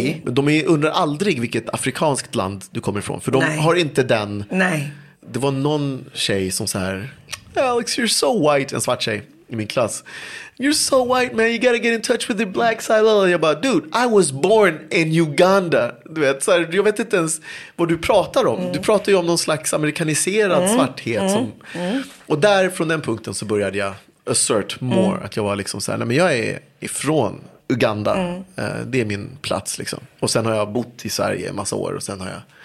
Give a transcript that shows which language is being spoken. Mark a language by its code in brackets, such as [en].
[sv] Men de undrar aldrig vilket afrikanskt land du kommer ifrån, för de har inte den. Nej. Det var någon tjej som så här, Alex, [en] you're so white, [sv] en svart tjej i min klass. [en] You're so white, man, you gotta get in touch with the black side. [sv] Och jag bara, [en] dude, I was born in Uganda. [sv] Du vet, så här, jag vet inte ens vad du pratar om. Mm. Du pratar ju om någon slags amerikaniserad svarthet. Mm. Och där, från den punkten, så började jag [en] assert more. [sv] Mm. Att jag var liksom så här, nej, men jag är ifrån Uganda. Mm. Det är min plats, liksom. Och sen har jag bott i Sverige en massa år, och sen har jag...